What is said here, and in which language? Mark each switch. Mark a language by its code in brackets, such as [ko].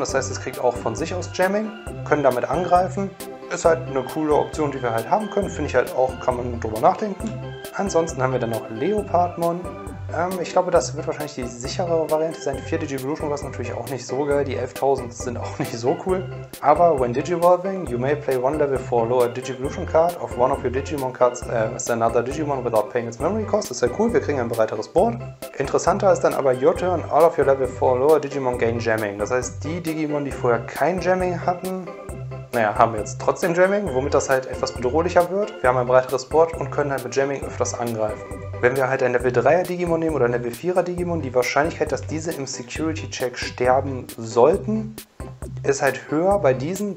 [de] Das heißt, es kriegt auch von sich aus Jamming. Können damit angreifen. Ist halt eine coole Option, die wir halt haben können. Finde ich halt auch, kann man drüber nachdenken. Ansonsten haben wir dann noch Leopardmon. Ich glaube, das wird wahrscheinlich die sichere Variante sein. 4 Digivolution war es natürlich auch nicht so geil. Die 11.000 sind auch nicht so cool. [en] Aber when Digivolving, you may play one level 4 lower Digivolution card of one of your Digimon cards as another Digimon without paying its memory cost. [de] Das ist ja cool, wir kriegen ein breiteres Board. Interessanter ist dann aber [en] your turn, all of your level 4 lower Digimon gain Jamming. [de] Das heißt, die Digimon, die vorher kein Jamming hatten, naja, haben wir jetzt trotzdem Jamming, womit das halt etwas bedrohlicher wird. Wir haben ein breiteres Board und können halt mit Jamming öfters angreifen. Wenn wir halt ein Level 3er Digimon nehmen oder ein Level 4er Digimon, die Wahrscheinlichkeit, dass diese im Security-Check sterben sollten, ist halt höher bei diesen.